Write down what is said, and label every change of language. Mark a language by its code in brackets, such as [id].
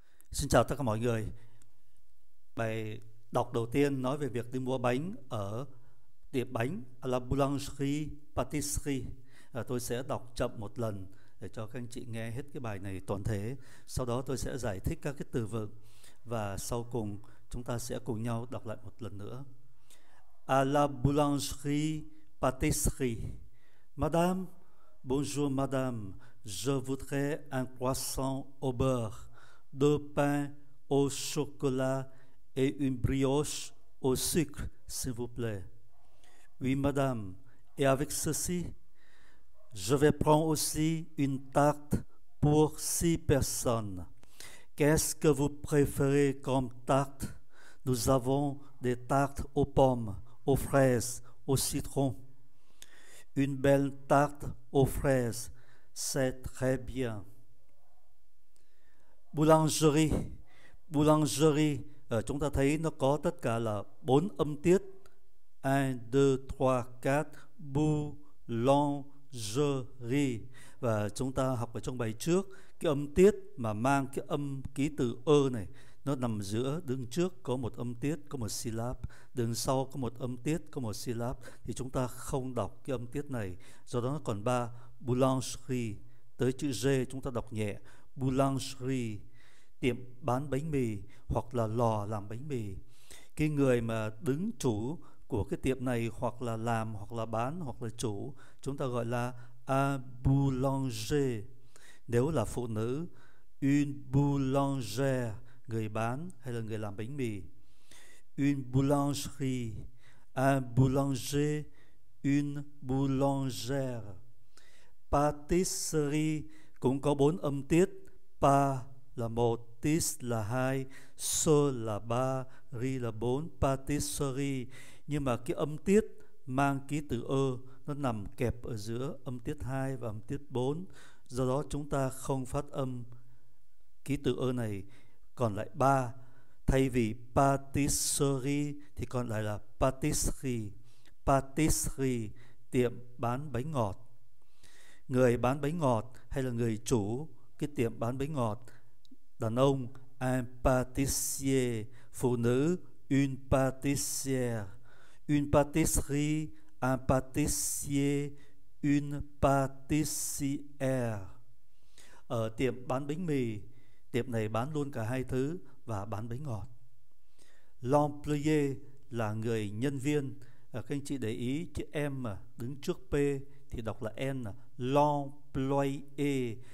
[vi] Xin chào tất cả mọi người. Bài đọc đầu tiên nói về việc đi mua bánh ở tiệm bánh La Boulangerie Pâtisserie. Tôi sẽ đọc chậm một lần để cho các anh chị nghe hết cái bài này toàn thể. Sau đó tôi sẽ giải thích các cái từ vựng và sau cùng chúng ta sẽ cùng nhau đọc lại một lần nữa. [fr] À la boulangerie pâtisserie. Madame, bonjour madame, je voudrais un croissant au beurre, deux pains au chocolat et une brioche au sucre, s'il vous plaît. Oui, madame, et avec ceci, je vais prendre aussi une tarte pour six personnes. Qu'est-ce que vous préférez comme tarte? Nous avons des tartes aux pommes, aux fraises, au citron. Une belle tarte aux fraises, c'est très bien. [vi] Boulangerie, boulangerie, chúng ta thấy nó có tất cả là bốn âm tiết. 1, 2, 3, 4, boulangerie. Và chúng ta học ở trong bài trước, cái âm tiết mà mang cái âm ký tự ơ này, nó nằm giữa, đứng trước có một âm tiết, có một syllab, đứng sau có một âm tiết, có một syllab, thì chúng ta không đọc cái âm tiết này. Do đó nó còn ba, boulangerie, tới chữ G chúng ta đọc nhẹ, boulangerie, tiệm bán bánh mì hoặc là lò làm bánh mì. Cái người mà đứng chủ của cái tiệm này hoặc là làm hoặc là bán hoặc là chủ chúng ta gọi là a boulanger. Nếu là phụ nữ, une boulangère, người bán hay là người làm bánh mì. [fr] Une boulangerie, un boulanger, une boulangère. [vi] Pâtisserie cũng có bốn âm tiết, pa là một, tis là hai, so là ba, ri là bốn, patisserie. Nhưng mà cái âm tiết mang ký tự ơ nó nằm kẹp ở giữa âm tiết 2 và âm tiết 4. Do đó chúng ta không phát âm ký tự ơ này, còn lại ba. Thay vì patisserie thì còn lại là patisserie. Patisserie, tiệm bán bánh ngọt. Người bán bánh ngọt hay là người chủ cái tiệm bán bánh ngọt, đàn ông un pâtissier, phụ nữ une pâtissière. [fr] Une pâtisserie, un pâtissier, une pâtissière. [vi] Ở tiệm bán bánh mì, tiệm này bán luôn cả hai thứ và bán bánh ngọt. L'employé là người nhân viên. Các anh chị để ý chữ M mà đứng trước P thì đọc là N, l'employé.